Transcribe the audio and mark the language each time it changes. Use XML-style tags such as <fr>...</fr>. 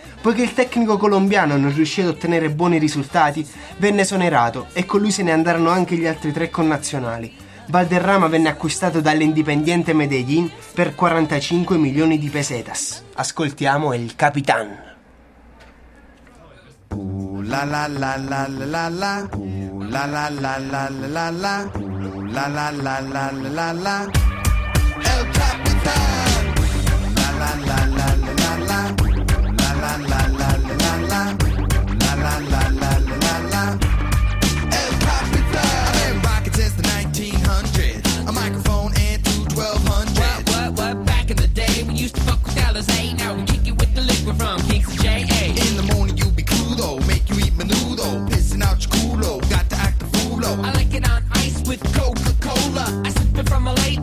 <it>Poiché il tecnico colombiano non riuscì ad ottenere buoni risultati, venne esonerato e con lui se ne andarono anche gli altri tre connazionali. Valderrama venne acquistato dall'Independiente Medellín per 45 milioni di pesetas. Ascoltiamo il capitan. La la la la la la la la la la la la la la la la la la la la El Capitán la la la la la la la la la la la la la la la la la la la la la El Capitán.</it> <en>I'm wearing rockets since the 1900s, a microphone and two 1200s. What back in the day we used to fuck with Alizé, now we kick it with the liquid from Kings J.A. In the morning you be crudo, make you eat menudo, pissing out your culo, got to act a fool-o. I like it on ice with Coca-Cola, I sip it from L.A.</en>